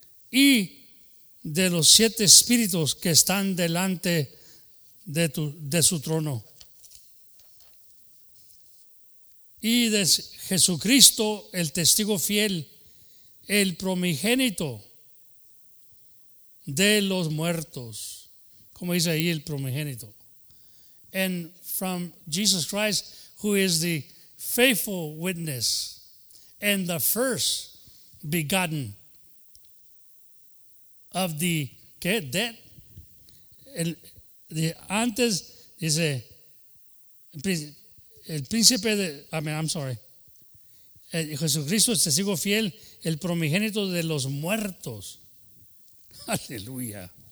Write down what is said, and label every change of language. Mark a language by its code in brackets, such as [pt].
[es] y de los siete espíritus que están delante de su trono, y de Jesucristo, el testigo fiel, el primogénito de los muertos. ¿Cómo dice ahí el primogénito? [en] And from Jesus Christ, who is the faithful witness and the first begotten of the [es] ¿qué? [en] Dead. [es] El antes dice el príncipe de, el Jesucristo es testigo fiel, el primogénito de los muertos. Aleluya.